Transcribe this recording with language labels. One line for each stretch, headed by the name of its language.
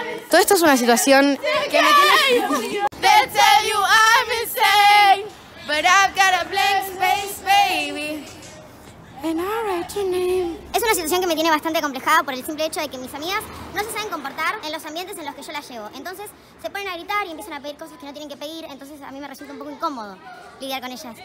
Spanish: Todo esto es una situación que me tiene...
English: They tell you I'm insane, but I've got a blank space, baby. And I write your name.
Spanish: Es una situación que me tiene bastante complejada por el simple hecho de que mis amigas no se saben comportar en los ambientes en los que yo las llevo. Entonces se ponen a gritar y empiezan a pedir cosas que no tienen que pedir. Entonces a mí me resulta un poco incómodo lidiar con ellas.